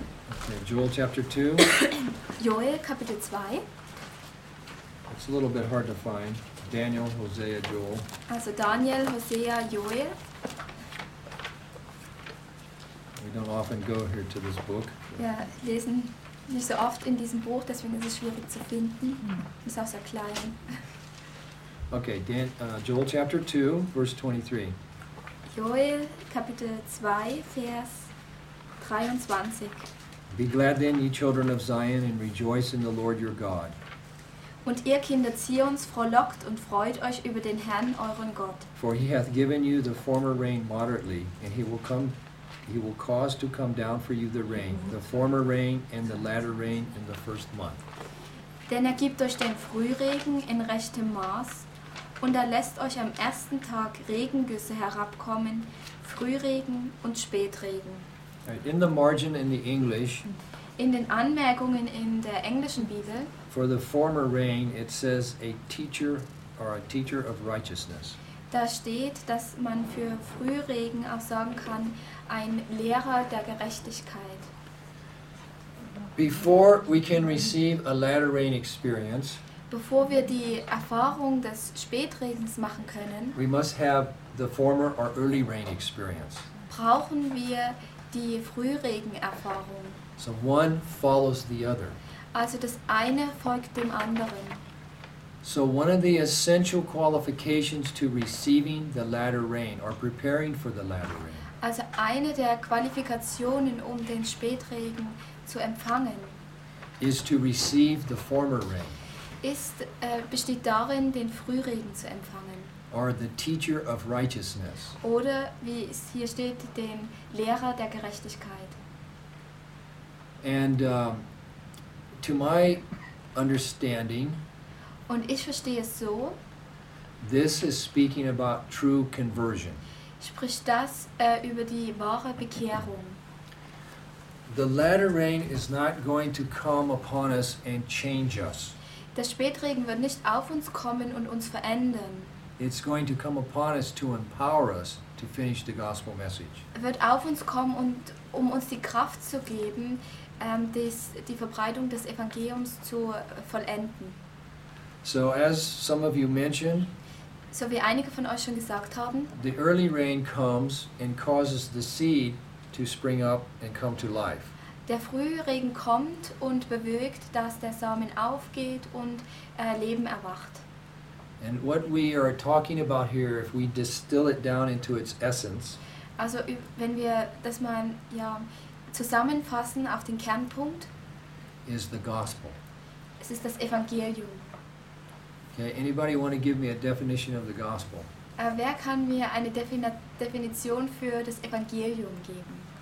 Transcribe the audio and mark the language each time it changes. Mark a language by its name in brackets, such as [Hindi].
[English] Okay, Joel chapter 2. [German] Joel Kapitel 2. [English] It's a little bit hard to find. Daniel, Hosea, Joel. [German] Also Daniel, Hosea, Joel. [English] We don't often go here to this book. [German] Ja, lesen nicht so oft in diesem Buch, deswegen ist es schwierig zu finden. Ist auch sehr klein. [English] Okay, Joel chapter 2, verse 23. [German] Joel Kapitel 2, Vers 23. [English] Be glad then, ye children of Zion, and rejoice in the Lord your God. [German] Und ihr Kinder Zions, frohlockt und freut euch über den Herrn euren Gott. [English] For he hath given you the former rain moderately, and he will cause to come down for you the rain, the former rain and the latter rain in the first month. [German] Denn gibt euch den Frühregen in rechtem Maß, und lässt euch am ersten Tag Regengüsse herabkommen, Frühregen und Spätregen. [English] In the margin in the English, [German] in den Anmerkungen in der englischen Bibel, [English] for the former rain, it says a teacher or a teacher of righteousness. [German] Da steht, dass man für Frühregen auch sagen kann, ein Lehrer der Gerechtigkeit. [English] Before we can receive a latter rain experience, [German] bevor wir die Erfahrung des Spätregens machen können, [English] we must have the former or early rain experience. [German] Brauchen wir die Frühregenerfahrung. [English] So one follows the other. [German] Also das eine folgt dem anderen. [English] So one of the essential qualifications to receiving the latter rain or preparing for the latter rain. [German] Also eine der Qualifikationen, um den Spätregen zu empfangen, [English] is to receive the former rain. [German] Besteht darin, den Frühregen zu empfangen. [English] Or the teacher of righteousness. [German] Oder wie es hier steht, den Lehrer der Gerechtigkeit. [English] And to my understanding, [German] und ich verstehe es so, [English] this is speaking about true conversion. [German] Spricht das über die wahre Bekehrung. [English] The latter rain is not going to come upon us and change us. [German] Der Spätregen wird nicht auf uns kommen und uns verändern. [English] It's going to come upon us to empower us to finish the gospel message. [German] Wird auf uns kommen und um uns die Kraft zu geben, die Verbreitung des Evangeliums zu vollenden. [English] So as some of you mentioned, [German] so wie einige von euch schon gesagt haben, [English] the early rain comes and causes the seed to spring up and come to life. [German] Der Frühregen kommt und bewirkt, dass der Samen aufgeht und Leben erwacht. [English] And what we are talking about here, if we distill it down into its essence, [German] also wenn wir das mal ja zusammenfassen auf den Kernpunkt, [English] is the gospel. [German] Es ist das Evangelium. [English] Okay, anybody want to give me a definition of the gospel? [German] Wer kann mir eine Definition für das Evangelium geben?